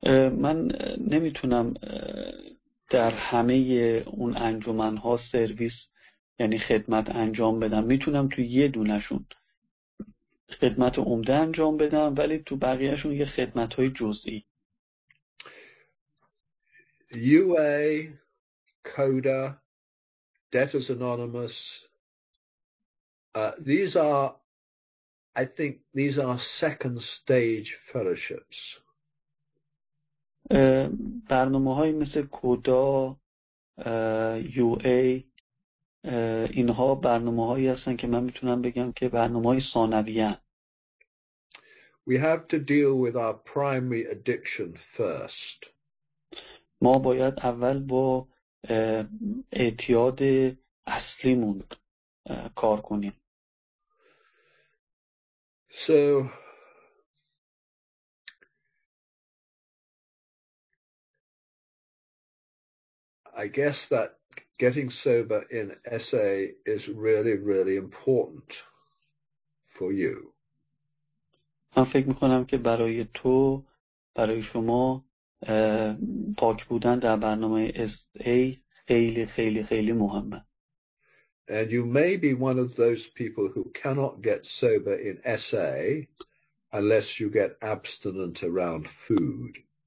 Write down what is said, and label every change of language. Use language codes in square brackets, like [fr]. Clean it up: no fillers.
[fa] من نمیتونم در همه اون انجمن ها سرویس یعنی خدمت انجام بدم. میتونم تو یه دونشون خدمت عمده انجام بدم ولی تو بقیهشون یه خدمت های جزئی. [en] UA, CODA, Debtors Anonymous, these are second stage fellowships. [fa] برنامه‌های مثل کودا، UA، اینها برنامه‌هایی هستن که من میتونم بگم که برنامه‌های ثانویه‌ان. [en] We have to deal with our primary addiction first. [fa] ما باید اول با اعتیاد اصلیمون کار کنیم. [en] So I guess that getting sober in SA is really, really important for you. [fa] من فکر میکنم که برای تو، برای شما پاک بودن در برنامه SA خیلی خیلی خیلی مهمه. [en] And you may be one of those people who cannot get sober in SA unless you get abstinent around food.